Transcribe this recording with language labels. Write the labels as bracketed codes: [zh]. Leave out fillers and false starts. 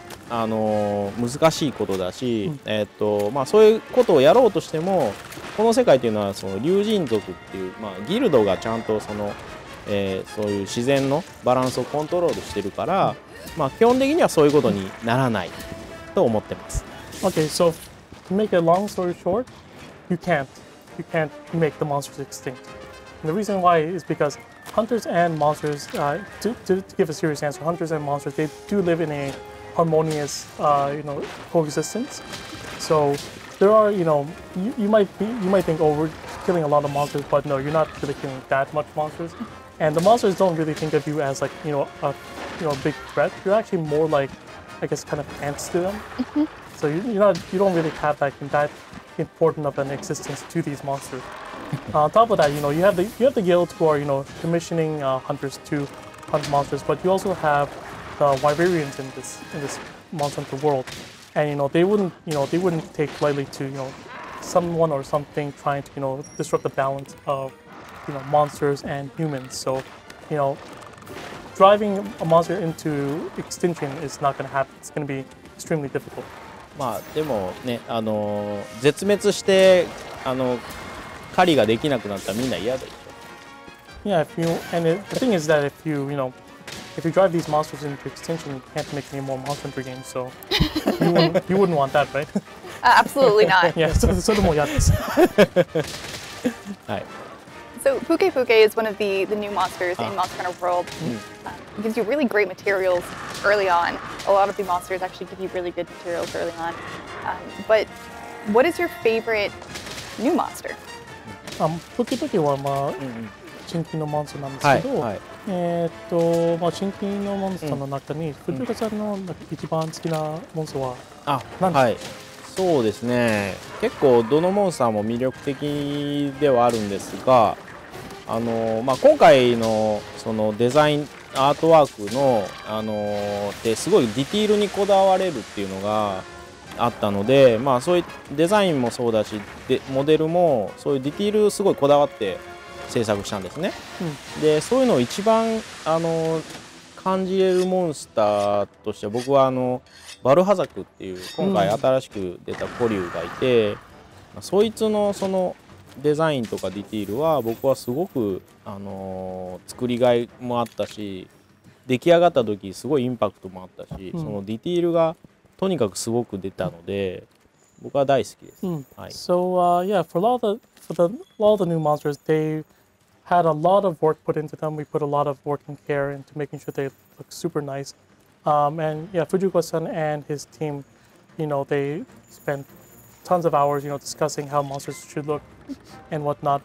[ja] あ、難しいことだし、まあ、そういうことをやろうとしても、この世界っていうのはその竜人族っていう、まあ、ギルドがちゃんとその、そういう自然のバランスをコントロールしてるから、まあ、基本的にはそういうことにならないと思ってます。 [en] Okay, so to make a long story short, you can't make the monsters extinct.、And、the reason why is because hunters and monsters,、to give a serious answer, hunters and monsters, they do live in a harmonious, you know, coexistence. So there are, you know, you might think, oh, we're killing a lot of monsters, but no, you're not really killing that much monsters. And the monsters don't really think of you as like, you know, a big threat. You're actually more like, I guess, kind of ants to them. So you don't really have like that important of an existence to these monsters. On top of that, you know, you have the guilds who are, you know, commissioning hunters to hunt monsters, but you also have the Wyverians in this Monster Hunter world. And, you know, they wouldn't take lightly to, you know, someone or something trying to, you know, disrupt the balance of,you know, monsters and humans. So, you know, driving a monster into extinction is not going to happen. It's going to be extremely difficult. [ja] まあ、でもね、絶滅して、狩りができなくなったらみんな嫌でしょ。 [en] Yeah, if you, and the thing is that if you, you know, if you drive these monsters into extinction, you can't make any more Monster Hunter games, so you wouldn't want that, right? Absolutely not. Yeah, so the more yatas. So Puke Puke is one of the new monsters in Monster Hunter World. Mm. It gives you really great materials early on. A lot of the monsters actually give you really good materials early on. But what is your favorite new monster? [ja] Puke Puke is新規のモンスターなんですけど、はいはい、まあ、新規のモンスターの中に、うん、藤岡さんの一番好きなモンスターは何ですか？はい、そうですね、結構どのモンスターも魅力的ではあるんですが、まあ、今回 の, そのデザインアートワークの、すごいディティールにこだわれるっていうのがあったので、まあ、そういうデザインもそうだし、でモデルもそういうディティールすごいこだわって制作したんですね、うん、でそういうのを一番感じれるモンスターとして僕はバルハザクっていう今回新しく出たコリューがいて、うん、そいつのそのデザインとかディティールは僕はすごく作りがいもあったし出来上がった時すごいインパクトもあったし、うん、そのディティールがとにかくすごく出たので僕は大好きです、うん、は [en] い、So yeah, for all theBut a lot of the new monsters, they had a lot of work put into them. We put a lot of work and care into making sure they look super nice. And yeah, Fujiko-san and his team, you know, they spent tons of hours, you know, discussing how monsters should look and whatnot.